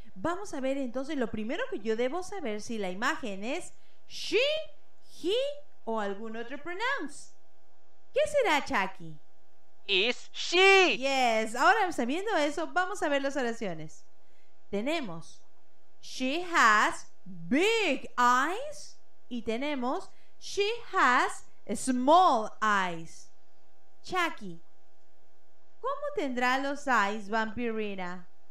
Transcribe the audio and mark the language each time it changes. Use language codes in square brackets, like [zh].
[es] Vamos a ver entonces, lo primero que yo debo saber si la imagen es she, he o algún otro pronouns. ¿Qué será, Chucky? [en] Is she. Yes. [es] Ahora sabiendo eso, vamos a ver las oraciones. Tenemos [en] she has big eyes [es] y tenemos [en] she has small eyes. [es] Chucky, ¿cómo tendrá los eyes Vampirina?